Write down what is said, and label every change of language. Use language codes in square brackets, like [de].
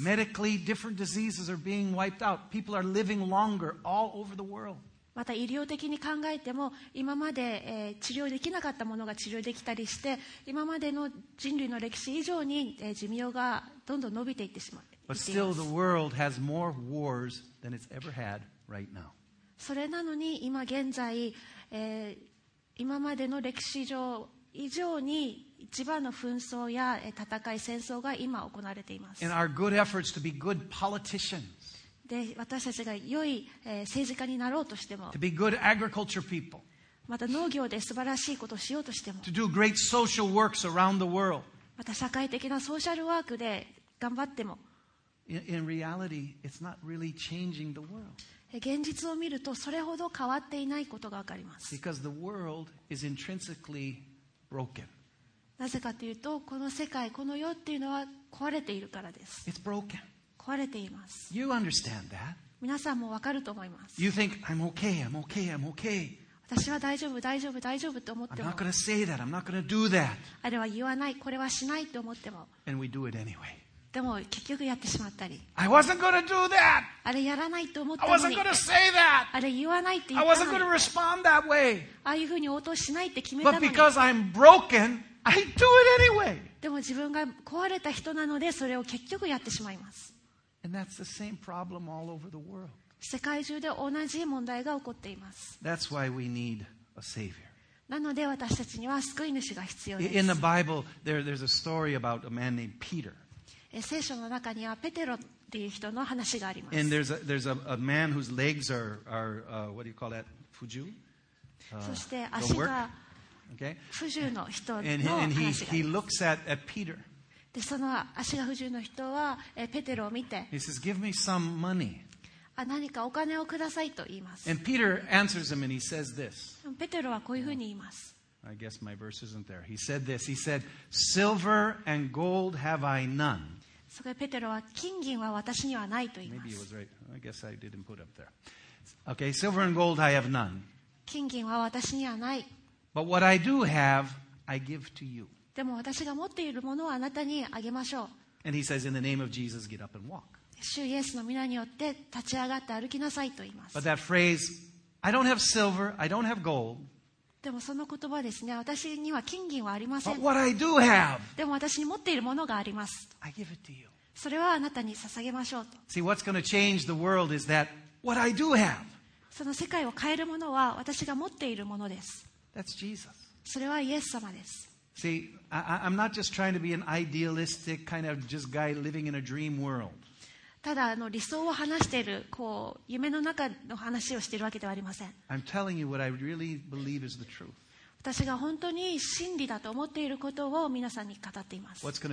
[en] Medically, different diseases are being wiped out. People are living longer all over the world. [ja] また医療的に考えても今まで、治療できなかったものが治療できたりして、今までの人類の歴史以上に、寿命がどんどん伸びていってしまっています。 [en] But still the world has more wars than it's ever had right now. [ja] それなのに今現在、今までの歴史上以上に一番の紛争や戦い、戦争が今行われています。 [en] And our good efforts to be good politicians. [ja] で私たちが良い、政治家になろうとしても、 [en] to be good agriculture people. [ja] また農業で素晴らしいことをしようとしても、 [en] to do great social works around the world. [ja] また社会的なソーシャルワークで頑張っても、 [en] in reality, it's not really changing the world. [ja] 現実を見るとそれほど変わっていないことが分かります。 [en] Because the world is intrinsically broken. [ja] なぜかというと、この世界、この世っていうのは壊れているからです。 [en] It's broken. [ja] 壊れています。 [en] You understand that. [ja] 皆さんも分かると思います。 [en] You think, I'm okay, I'm okay, I'm okay. [ja] 私は大丈夫、大丈夫、大丈夫と思っても、 [en] I'm not going to say that, I'm not going to do that. [ja] あれは言わない、これはしないと思っても、 [en] And we do it anyway. [ja] でも結局やってしまったり、 [en] I wasn't gonna do that. [ja] あれやらないと思ったのに、 [en] I wasn't gonna say that. [ja] あれ言わないって言ったのに、 [en] I wasn't gonna respond that way. [ja] ああいうふうに応答しないって決めたのに、 [en] But because I'm broken, I do it anyway. [ja] でも自分が壊れた人なので、それを結局やってしまいます。 [en] And that's the same problem all over the world. [ja] 世界中で同じ問題が起こっています。 [en] That's why we need a savior. [ja] なので私たちには救い主が必要です。 [en] In the Bible, there's a story about a man named Peter. [ja] 聖書の中にはペテロっていう人の話があります。 [en] And there's a man whose legs are what do you call that? [ja] 不自由。そして足が不自由の人の話があります。 [en] And he looks at Peter. [ja] でその足が不自由の人はペテロを見て、 [en] He says, "Give me some money." [ja] 何かお金をくださいと言います。 [en] And Peter answers him and he says this. [ja] ペテロはこういうふうに言います。 [en] I guess my verse isn't there. He said this. He said, "Silver and gold have I none." [ja] そこでペテロは金銀は私にはないと言います。 [en] Maybe it was right. I guess I didn't put up there. Okay, silver and gold I have none. [ja] 金銀は私にはない。 [en] But what I do have, I give to you. [ja] でも私が持っているものをあなたにあげましょう。 [en] And he says, "In the name of Jesus, get up and walk." [ja] 主イエスの御名によって立ち上がって歩きなさいと言います。 [en] But that phrase, I don't have silver, I don't have gold. [ja] でもその言葉ですね、私には金銀はありません。 [en] But what I do have, [ja] でも私に持っているものがあります。 [en] I give it to you. [ja] それはあなたに捧げましょうと。 [en] See, what's going to change the world is that what I do have. [ja] その世界を変えるものは私が持っているものです。 [en] That's Jesus. [ja] それはイエス様です。 [en] See, I'm not just trying to be an idealistic kind of just guy living in a dream world. [ja] ただ理想を話している、こう夢の中の話をしているわけではありません。 [en] Really、 [ja] 私が本当に真理だと思っていることを皆さんに語っています。